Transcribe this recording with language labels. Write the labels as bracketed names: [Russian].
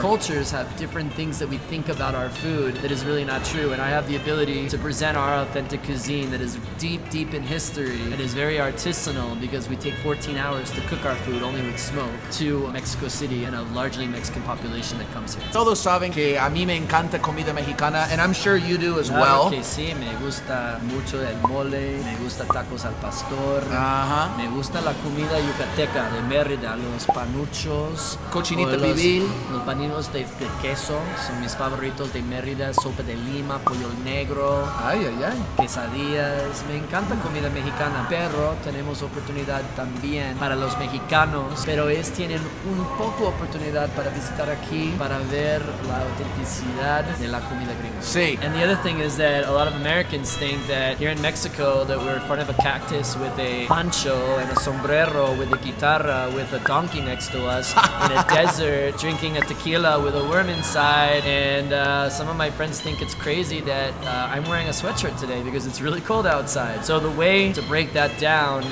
[English] Cultures have different things that we think about our food that is really not true, and I have the ability to present our authentic cuisine that is deep, deep in history and is very artisanal because we take 14 hours to cook our food only with smoke to Mexico City and a largely Mexican population that comes here. [Spanish] Todos saben que a mí me encanta comida mexicana, [English] and I'm sure you do as [Spanish] claro [English] well. [Spanish] Que sí, me gusta mucho el mole, me gusta tacos al pastor, me gusta la comida yucateca de Mérida, los panuchos, cochinita pibil, los paninos de queso, son mis favoritos de Mérida, sopa de lima, pollo negro, ay, ay, ay, quesadillas, me encanta comida mexicana, pero tenemos oportunidad también para los mexicanos, pero ellos tienen un poco oportunidad para visitar aquí, para ver la autenticidad de la comida gringa. Sí. [English] And the other thing is that a lot of Americans think that here in Mexico that we're in front of a cactus with a pancho and a sombrero with a guitarra with a donkey next to us in a desert drinking a tequila with a worm inside, and some of my friends think it's crazy that I'm wearing a sweatshirt today because it's really cold outside. So the way to break that down